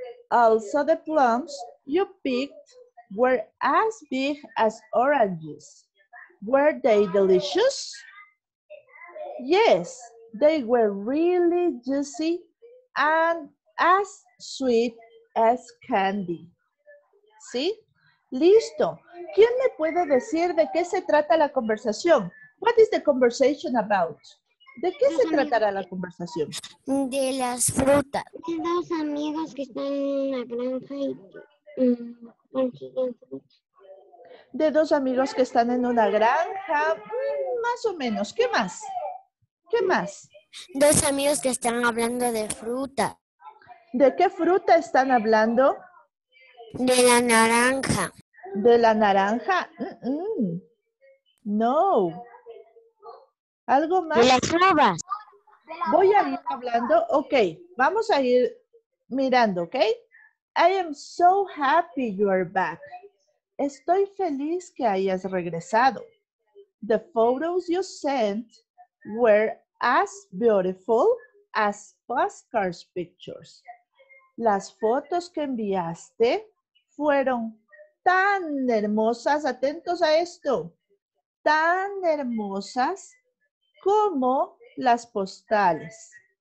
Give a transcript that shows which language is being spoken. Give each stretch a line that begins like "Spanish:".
English: Also, the plums you picked were as big as oranges. Were they delicious? Yes, they were really juicy and as sweet as candy.
Spanish: ¿Sí? Listo. ¿Quién me puede decir de qué se trata la conversación?
English: What is the conversation about?
Spanish: ¿De qué se tratará la conversación? De las frutas. De dos amigos que están en una granja y consiguen frutas. De dos amigos que están en una granja, más o menos. ¿Qué más? ¿Qué más? Dos amigos que están hablando de fruta. ¿De qué fruta están hablando? De la naranja. ¿De la naranja? Mm-mm. No. ¿Algo más? De las uvas. Voy a ir hablando. Ok, vamos a ir mirando, ¿ok?
English: I am so happy you are back.
Spanish: Estoy feliz que hayas regresado.
English: The photos you sent were as beautiful as Oscar's pictures.
Spanish: Las fotos que enviaste fueron tan hermosas, atentos a esto, tan hermosas como las postales.